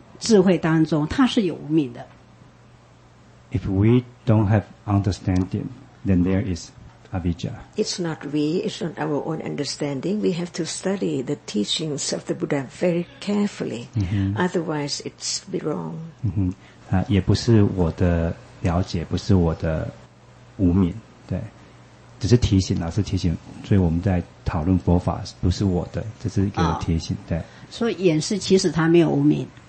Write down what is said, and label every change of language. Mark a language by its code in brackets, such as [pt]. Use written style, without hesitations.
[zh] 倘若我们还处在实相当中，而不是在智慧当中，它是有无明的。 [en] If we don't have understanding, then there is avijja. It's not we, it's not our own understanding. We have to study the teachings of the Buddha very carefully. Mm-hmm. Otherwise, it's be wrong. Mm-hmm. [zh] 也不是我的了解，不是我的无明，对。只是提醒，老师提醒，所以我们在讨论佛法，不是我的，这是一个提醒，对。所以演示其实他没有无明。